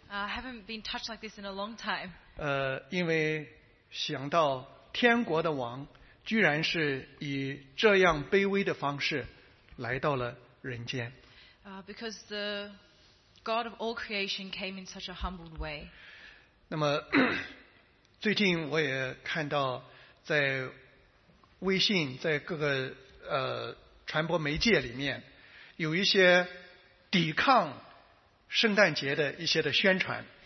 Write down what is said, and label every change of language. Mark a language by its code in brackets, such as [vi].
[en] I haven't been touched like this in a long time. [zh] 因为想到天国的王居然是以这样卑微的方式来到了人间。 [en] Because the God of all creation came in such a humbled way. [zh] 那么最近我也看到在微信在各个传播媒介里面有一些抵抗圣诞节的一些的宣传。